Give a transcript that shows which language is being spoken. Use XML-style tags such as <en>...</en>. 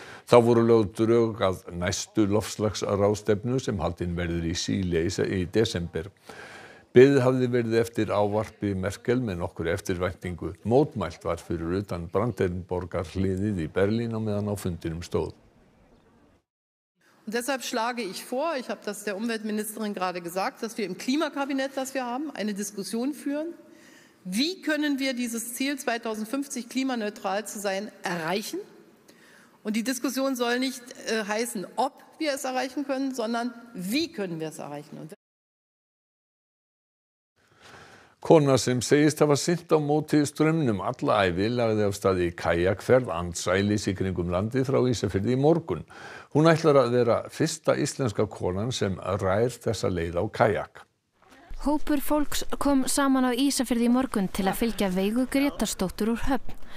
<is>Þá voru lögð drög að næstu loftslagsráðstefnu sem haldin verður í Síle í desember. Beðið hafði verið eftir ávarpi Merkel með nokkur eftirvæntingu. Mótmælt var fyrir utan Brandenburgar hliðið í Berlín og meðan á fundinum stóð.</is> <de>Und deshalb schlage ich vor, ich habe das der Umweltministerin gerade gesagt, dass wir im Klimakabinett, das wir haben, eine Diskussion führen. Wie können wir dieses Ziel 2050 klimaneutral zu sein erreichen? Und die Diskussion soll nicht heißen, ob wir es erreichen können, sondern wie können wir es erreichen? Und</de> <is>Kona sem segist hafa sinnt á móti strömmnum alla ævi lagði af staði í kajakferð andsælis í kringum landi frá Ísafirði í morgun. Hún ætlar að vera fyrsta íslenska konan sem rær þessa leið á kajak. Hópur fólks kom saman á Ísafirði í morgun til að fylgja Veigu Grétarsdóttur úr höfn.</is>